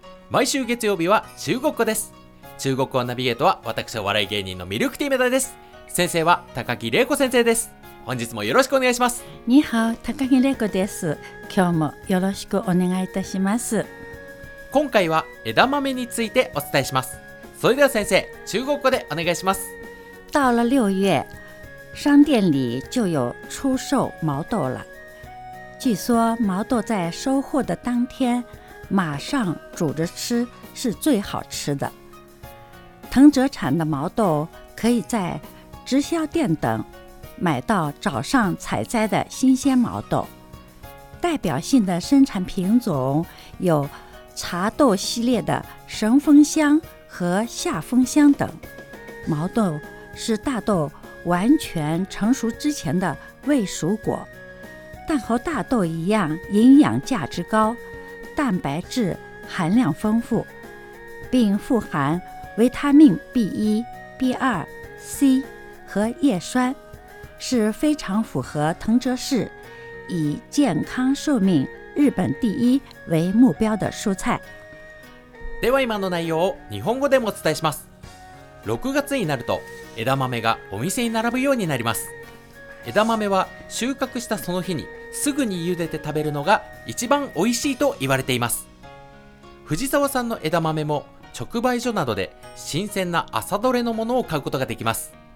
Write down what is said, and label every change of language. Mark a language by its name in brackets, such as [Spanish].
[Japanese] 毎週月曜日は中国語です。中国語ナビゲートは私お笑い芸人のミルクティーメダです。先生は高木玲子先生です。本日もよろしくお願いします。 [Chinese] 你好、 [Japanese] 高木玲子です。今日もよろしくお願いいたします。今回は枝豆についてお伝えします。それでは先生、中国語でお願いします。 [Chinese] 到了六月，商店里就有出售毛豆了。据说毛豆在收获的当天，马上煮着吃是最好吃的。藤泽产的毛豆可以在直销店等买到早上采摘的新鲜毛豆。代表性的生产品种有茶豆系列的神风香和夏风香等。毛豆是大豆完全成熟之前的未熟果，但和大豆一样营养价值高，蛋白质含量丰富，并富含维他命 B1 B2 C 和叶酸，是非常符合藤泽市以健康寿命日本第一为目标的蔬菜。 [Japanese] では今の内容を日本語でもお伝えします。6月になると枝豆がお店に並ぶようになります。枝豆は収穫したその日にすぐに茹でて食べるのが一番おいしいと言われています。藤沢さんの枝豆も直売所などで新鮮な朝どれのものを買うことができます。